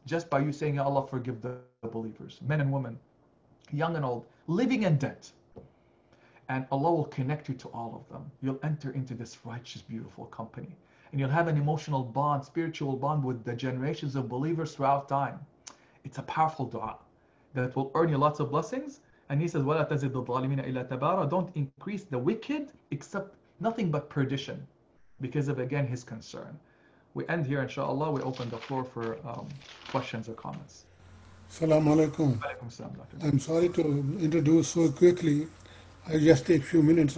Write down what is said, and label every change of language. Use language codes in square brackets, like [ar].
[en] Just by you saying, Ya Allah, forgive the believers, men and women, young and old, living and dead. and Allah will connect you to all of them. You'll enter into this righteous, beautiful company. And you'll have an emotional bond, spiritual bond with the generations of believers throughout time. It's a powerful dua that will earn you lots of blessings. And he says, [ar] وَلَا تَزِدُ الظَّالِمِينَ إِلَّا تَبَارًا. [en] Don't increase the wicked except nothing but perdition, because of, again, his concern. We end here, inshallah. We open the floor for questions or comments. Assalamu alaikum. Alaikum salam, Dr. I'm sorry to introduce so quickly. I just take a few minutes.